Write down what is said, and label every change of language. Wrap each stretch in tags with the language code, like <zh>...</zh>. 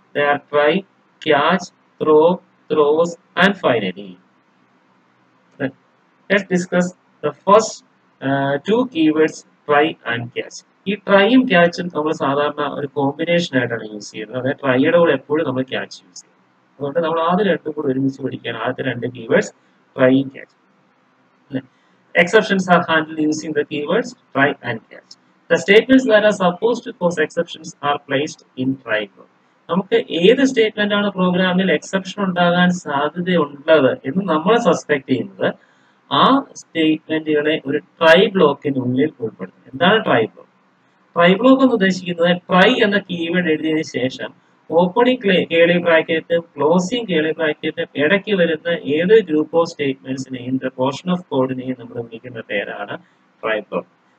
<en>They are try, catch, throw, throws, and finally. Let's discuss the first two keywords, try and catch.</en> <ml>ഈ ട്രൈയും ക്യാച്ചും നമ്മൾ സാധാരണ ഒരു combination ആയിട്ടാണ് use ചെയ്യുന്നത്. അതായത് ട്രൈയുടെ കൂടെ എപ്പോഴും നമ്മൾ ക്യാച്ച് യൂസ് ചെയ്യും. അതുകൊണ്ട് നമ്മൾ ആദ്യ രണ്ടും കൂടെ ഒരുമിച്ച് പഠിക്കുകയാണ്, ആദ്യത്തെ രണ്ട് keywords ട്രൈയും ക്യാച്ചും.</ml> <en>Exceptions are handled using the keywords try and catch. The statements that are supposed to cause exceptions are placed in try code.</en> <ml>നമുക്ക് ഏത് സ്റ്റേറ്റ്മെന്റ് ആണ് പ്രോഗ്രാമിൽ എക്സെപ്ഷൻ ഉണ്ടാകാൻ സാധ്യതയുള്ളത് എന്ന് നമ്മൾ സസ്പെക്ട് ചെയ്യുന്നത്, ആ സ്റ്റേറ്റ്മെന്റുകളെ ഒരു ട്രൈ ബ്ലോക്കിനുള്ളിൽ ഉൾപ്പെടുത്തും. എന്താണ് ട്രൈ ബ്ലോക്ക്? ട്രൈ ബ്ലോക്ക് എന്ന് ഉദ്ദേശിക്കുന്നത് ട്രൈ എന്ന കീവേഡ് എഴുതിയതിന് ശേഷം ഓപ്പണിംഗ് കേളി ബ്രാക്കറ്റ്, ക്ലോസിംഗ് കേളി ബ്രാക്കറ്റ്, ഇടയ്ക്ക് വരുന്ന ഏത് ഗ്രൂപ്പ് ഓഫ് സ്റ്റേറ്റ്മെന്റ്സിനെയും പോർഷൻ ഓഫ് കോഡിനെയും നമ്മൾ വിളിക്കുന്ന പേരാണ് ട്രൈ ബ്ലോക്ക്.</ml>